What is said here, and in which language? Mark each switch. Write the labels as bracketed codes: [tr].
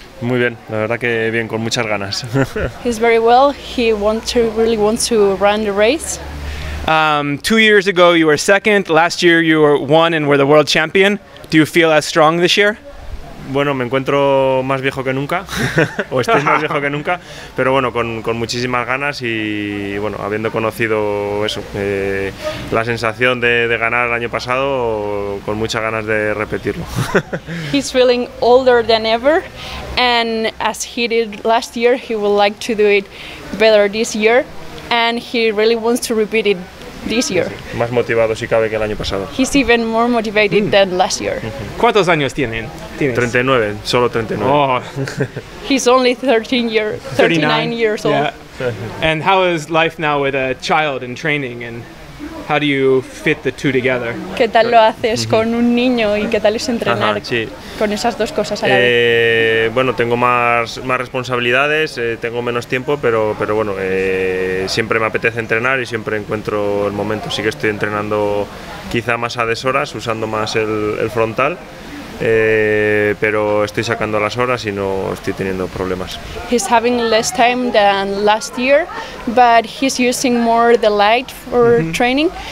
[es] Muy bien, la verdad que bien, con muchas ganas. [en] He's very well. He really wants to run the race. 2 years ago you were second, last year you were one and were the world champion. Do you feel as strong this year? [es] Bueno, me encuentro más viejo que nunca, o estoy más viejo que nunca, pero bueno, con muchísimas ganas y bueno, habiendo conocido eso, la sensación de ganar el año pasado, con muchas ganas de repetirlo. [en] He's feeling older than ever, and as he did last year, he would like to do it better this year, and he really wants to repeat it this year. [es] Sí, más motivado si cabe que el año pasado. [en] He's even more motivated than last year. [es] ¿Cuántos años tienen? 39, solo 39. Oh. [en] He's only 39 years old. Yeah. And how is life now with a child and training, and how do you fit the two together? [es] ¿Qué tal lo haces con un niño y qué tal es entrenar con esas dos cosas a la vez? Bueno, tengo más responsabilidades, tengo menos tiempo, pero bueno, siempre me apetece entrenar y siempre encuentro el momento. Sí que estoy entrenando quizá más a deshoras, usando más el frontal. Pero estoy sacando las horas y no estoy teniendo problemas. [en] He's having less time than last year, but he's using more the light for training.